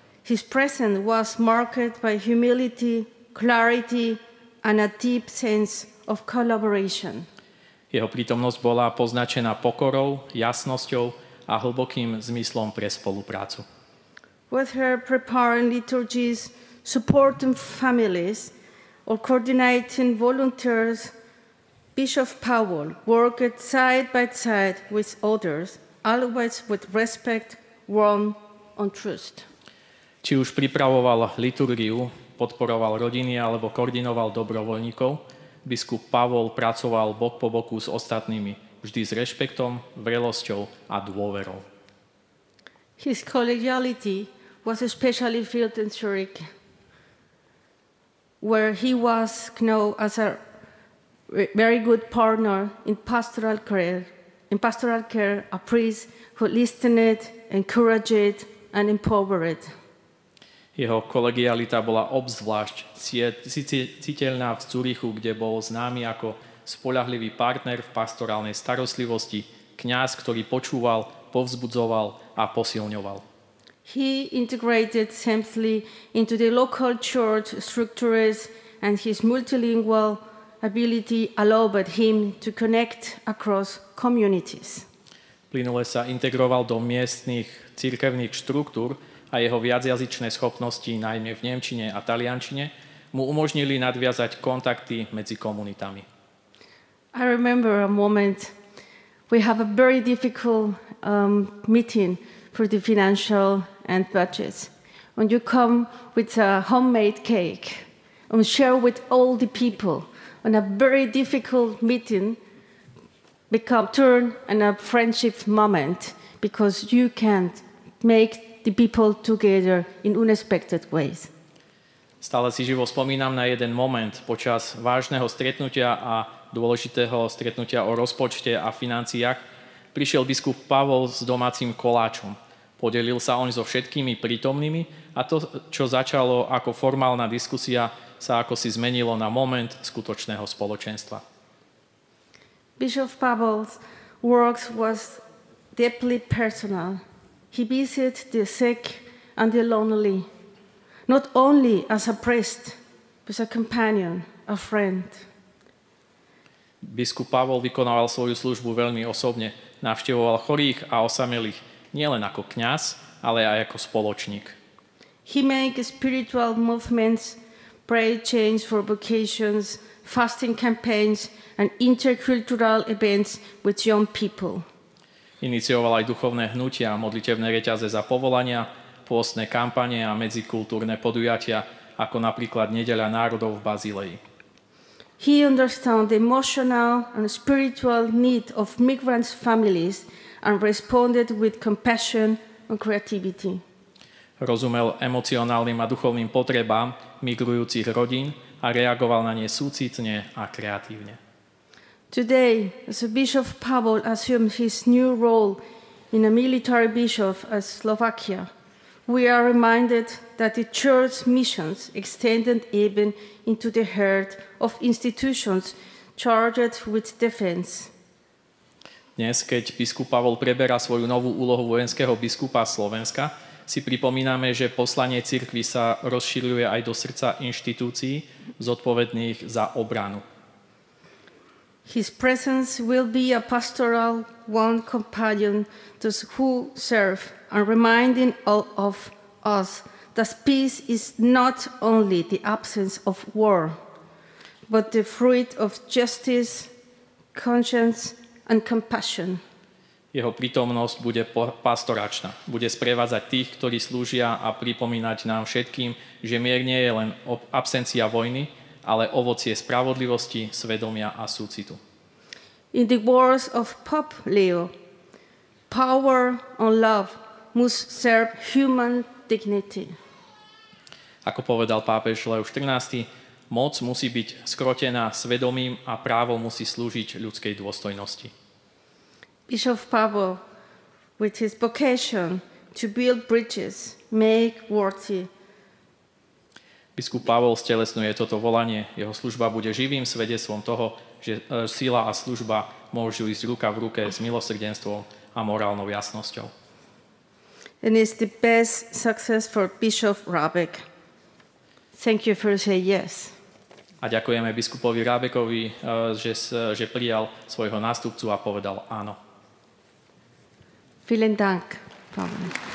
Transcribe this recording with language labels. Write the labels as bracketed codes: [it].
[en] His presence was marked by humility, clarity and a deep sense of collaboration. [sk] Jeho prítomnosť bola poznačená pokorou, jasnosťou a hlbokým zmyslom pre spoluprácu. [en] With her preparing liturgies, supporting families or coordinating volunteers Bishop Powell worked side by side with others, always with respect, warmth and trust. [sk] Či už pripravoval liturgiu, podporoval rodiny alebo koordinoval dobrovoľníkov, biskup Pavol pracoval bok po boku s ostatnými, vždy s rešpektom, vrelosťou a dôverou. [en] His collegiality was especially felt in Zurich, where he was known as a very good partner in pastoral care, a priest who listened, encouraged and empowered. [sk] Jeho kolegialita bola obzvlášť citeľná v Zurichu, kde bol známy ako spoľahlivý partner v pastorálnej starostlivosti, kňaz, ktorý počúval, povzbudzoval a posilňoval. [en] He integrated seamlessly into the local church structures and his multilingual ability allowed him to connect across communities. [sk] Plynule sa integroval do miestnych cirkevných štruktúr a jeho viacjazyčné schopnosti, najmä v nemčine a taliančine, mu umožnili nadviazať kontakty medzi komunitami. [en] I remember a moment. We have a very difficult meeting for the financial and budgets. When you come with a homemade cake and share with all the people on a very difficult meeting, become turn in a friendship moment because you can't make the people together in unexpected ways. [sk] Stále si živo spomínam na jeden moment počas vážneho stretnutia a dôležitého stretnutia o rozpočte a financiách. Prišiel biskup Pavol s domácim koláčom. Podelil sa on so všetkými prítomnými a to, čo začalo ako formálna diskusia, sa akosi zmenilo na moment skutočného spoločenstva. [en] Bishop Pavel's work was deeply personal. He visited the sick and the lonely, not only as a priest, but as a companion, a friend. [sk] Biskup Pavol vykonával svoju službu veľmi osobne. Navštevoval chorých a osamelých nielen ako kňaz, ale aj ako spoločník. [en] He made spiritual movements, prayer chains for vocations, fasting campaigns and intercultural events with young people. [sk] Inicioval aj duchovné hnutia, modlitevné reťaze za povolania, pôstne kampane a medzikultúrne podujatia, ako napríklad Nedeľa národov v Bazileji. [en] He understands the emotional and spiritual need of migrant families and responded with compassion and creativity. [sk] Rozumel emocionálnym a duchovným potrebám migrujúcich rodín a reagoval na ne súcitne a kreatívne. [en] Today, as Bishop Pavol assumed his new role in a military bishop of Slovakia, we are reminded that the church missions extended even into the heart of institutions charged with defense. [sk] Dnes, keď biskup Pavol preberá svoju novú úlohu vojenského biskupa Slovenska, si pripomíname, že poslanie cirkvi sa rozšíruje aj do srdca inštitúcií zodpovedných za obranu. [en] His presence will be a pastoral one companion to who serve and reminding all of us that peace is not only the absence of war, but the fruit of justice, conscience and compassion. [sk] Jeho prítomnosť bude pastoračná, bude sprevádzať tých, ktorí slúžia a pripomínať nám všetkým, že mier nie je len absencia vojny, ale ovocie spravodlivosti, svedomia a súcitu. [en] In the words of Pope Leo, power and love must serve human dignity. [sk] Ako povedal pápež Leo XIV, moc musí byť skrotená svedomím a právo musí slúžiť ľudskej dôstojnosti. [en] Bishop Pavel, with his vocation to build bridges, make worthy. [sk] Biskup Pavel stelesňuje toto volanie. Jeho služba bude živým svedectvom toho, že sila a služba môžu ísť ruka v ruke s milosrdenstvom a morálnou jasnosťou. [en] And it's the best success for Bishop Rabeck. Thank you for saying yes. [sk] A ďakujeme biskupovi Rabeckovi, že prijal svojho nástupcu a povedal áno. [de] Vielen Dank, Pavel.